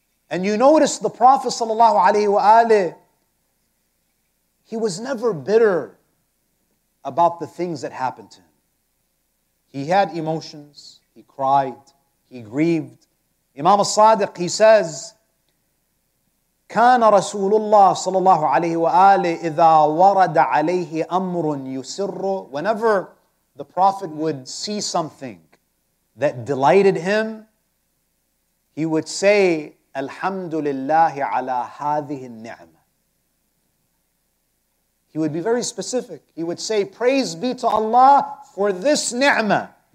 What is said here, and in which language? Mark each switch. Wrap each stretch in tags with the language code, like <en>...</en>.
<en>And you notice the Prophet sallallahu alaihi wa alihi, he was never bitter about the things that happened to him. He had emotions, he cried, he grieved. Imam al-Sadiq, he says,</en> <ar>كان رسول الله صلى الله عليه وآله إذا ورد عليه أمر يسر.</ar> <en>Whenever the Prophet would see something that delighted him, he would say,</en> <ar>الحمد لله على هذه النعمة.</ar> <en>He would be very specific. He would say, praise be to Allah for this ni'mah.</en>